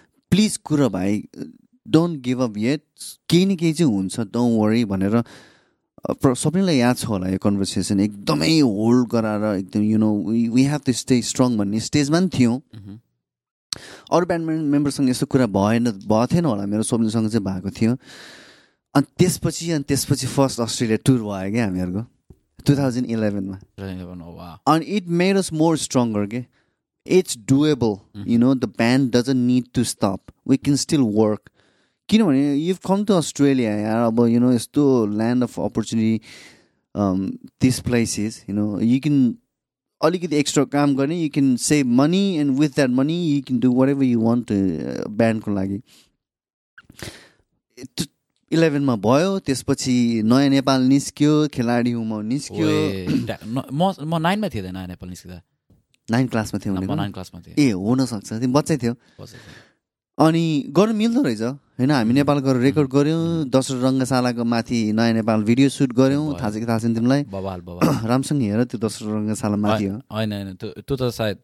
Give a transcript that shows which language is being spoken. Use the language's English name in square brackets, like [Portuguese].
[Nepali] Please कुरो भाइ [English] don't give up yet [Nepali] केही न केही चाहिँ हुन्छ [English] don't worry [Nepali] भनेर सबैलाई याद छ होला यो कन्भर्सेसन एकदमै होल्ड गराएर एकदम [English] you know we have to stay strong [Nepali] भन्ने स्टेजमा पनि थियौँ अरू ब्यान्ड मेम्बरसँग यस्तो कुरा भएन भएन होला मेरो सबैसँग चाहिँ भएको थियो अनि त्यसपछि [English] first Australia tour [Nepali] भयो क्या हामीहरूको 2011 [English] and it made us more stronger okay? It's doable you know the band doesn't need to stop we can still work [Nepali] kinabhane [English] you've come to australia yaar aba you know it's the land of opportunity this place is you know you can [Nepali] alikati extra kaam garne [English] you can save money and with that money you can do whatever you want to band [Nepali] ko lagi 11 मा भयो त्यसपछि नयाँ नेपाल निस्क्यो खेलाडी हुमा निस्क्यो म नाइनमा थिएँ नयाँ नेपाल निस्किँदा नाइन क्लासमा थियो नाइन क्लासमा थिएँ ए हुनसक्छ बच्चै थियो अनि गर्नु मिल्दो रहेछ होइन हामी नेपाल गएर रेकर्ड गऱ्यौँ दोस्रो रङ्गशालाको माथि नयाँ नेपाल भिडियो सुट गऱ्यौँ थाहा छ कि थाहा छ नि तिमीलाई राम्रोसँग हेर त्यो दोस्रो रङ्गशाला माथि होइन